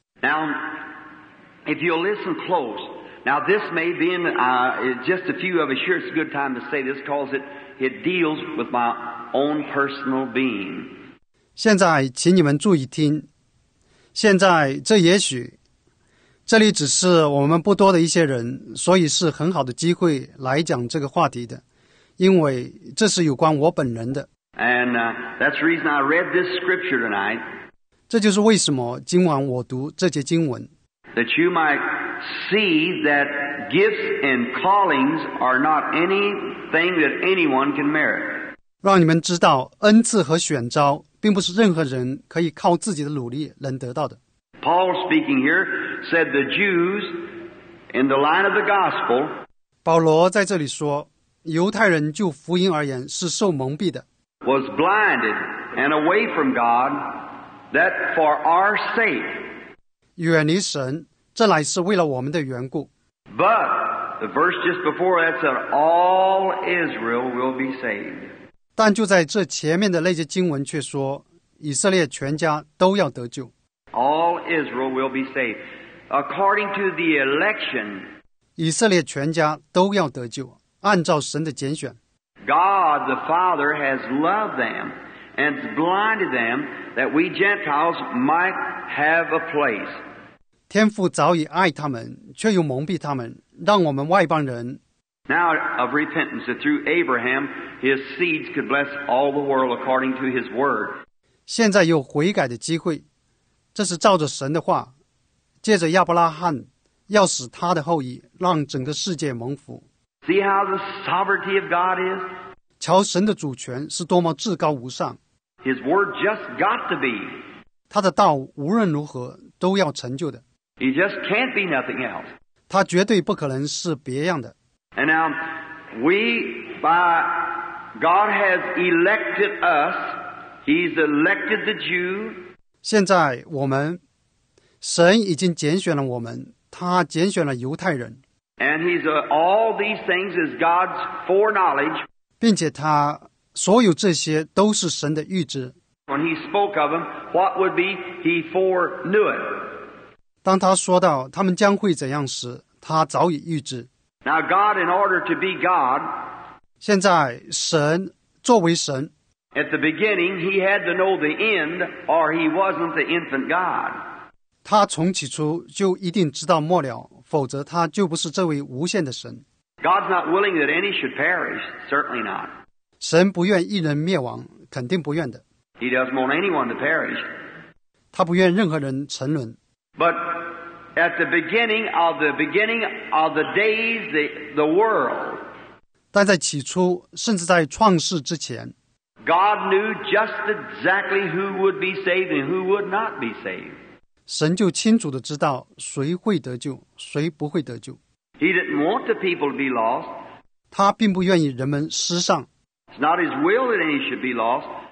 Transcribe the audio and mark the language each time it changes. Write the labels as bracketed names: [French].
[English] Now, if you'll listen close, now this may be in, just a few of us here, it's a good time to say this, because it deals with my own personal being. [Chinese] 现在请你们注意听，现在这也许，这里只是我们不多的一些人，所以是很好的机会来讲这个话题的，因为这是有关我本人的。 [English] And that's the reason I read this scripture tonight. [Chinese] 这就是为什么今晚我读这节经文。 [English] That you might see that gifts and callings are not anything that anyone can merit. [Chinese] 让你们知道恩赐和选召并不是任何人可以靠自己的努力能得到的。 [English] Paul speaking here said the Jews in the line of the gospel. [Chinese] 保罗在这里说，犹太人就福音而言是受蒙蔽的。 [English] Was blinded and away from God. That for our sake, [Chinese] 远离神，这乃是为了我们的缘故。 [English] But the verse just before that said, "All Israel will be saved." [Chinese] 但就在这前面的那些经文却说，以色列全家都要得救。 [English] All Israel will be saved, according to the election. [Chinese] 以色列全家都要得救，按照神的拣选。 [English] God the Father has loved them. And blinded them that we Gentiles might have a place. [Chinese] 天父早已爱他们，却又蒙蔽他们，让我们外邦人。 [English] Now of repentance that through Abraham his seeds could bless all the world according to his word. [Chinese] 现在有悔改的机会，这是照着神的话，借着亚伯拉罕，要使他的后裔让整个世界蒙福。 [English] See how the sovereignty of God is. [Chinese] 瞧神的主权是多么至高无上。 [English] His word just got to be. [Chinese] 他的道无论如何都要成就的。 [English] He just can't be nothing else. [Chinese] 他绝对不可能是别样的。 [English] And now, we, by God has elected us, He's elected the Jew. [Chinese] 现在我们，神已经拣选了我们，他拣选了犹太人。 [English] And He's all these things is God's foreknowledge. [Chinese] 并且他所有这些都是神的预知。 [English] When he spoke of them, what would be he foreknew it? [Chinese] 当他说到他们将会怎样时，他早已预知。 [English] Now God, in order to be God, [Chinese] 现在神作为神。 [English] At the beginning, he had to know the end, or he wasn't the infant God. [Chinese] 他从起初就一定知道末了，否则他就不是这位无限的神。 [English] God's not willing that any should perish, certainly not. [Chinese] 神不愿一人灭亡，肯定不愿的。 [English] He doesn't want anyone to perish. [Chinese] 他不愿任何人沉沦。 [English] But at the beginning of the beginning of the days the world. [Chinese] 但在起初，甚至在创世之前， [English] God knew just exactly who would be saved and who would not be saved. [Chinese] 神就清楚地知道谁会得救，谁不会得救。 [English] He didn't want the people to be lost. [Chinese] 他并不愿意人们失丧。 [English] It's not his will that any should be lost.